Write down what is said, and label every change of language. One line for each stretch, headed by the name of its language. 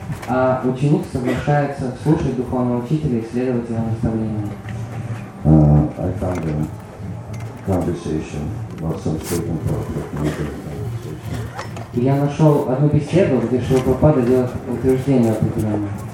Russian: А ученик соглашается слушать духовного учителя и следовать его наставлениям.
English: I found a conversation about some certain topic.
Russian: Я нашел одну беседу, где Шрила делал утверждение определенное.